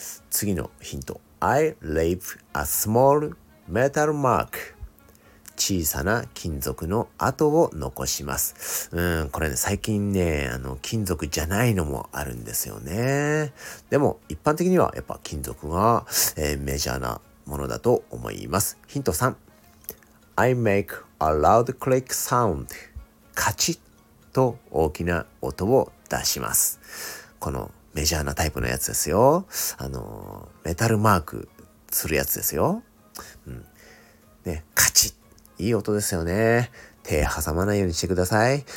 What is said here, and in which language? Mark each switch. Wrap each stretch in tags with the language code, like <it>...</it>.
<ja>次のヒント、</ja> <en>I leave a small metal mark。</en> <ja>小さな金属の跡を残します。これね、最近ね、金属じゃないのもあるんですよね。でも一般的にはやっぱ金属が、メジャーなものだと思います。ヒント3、</ja> <en>I make a loud click sound。</en> <ja>カチッと大きな音を出します。このメジャーなタイプのやつですよ。メタルマークするやつですよ。ね、カチッ、いい音ですよね。手挟まないようにしてください。</ja>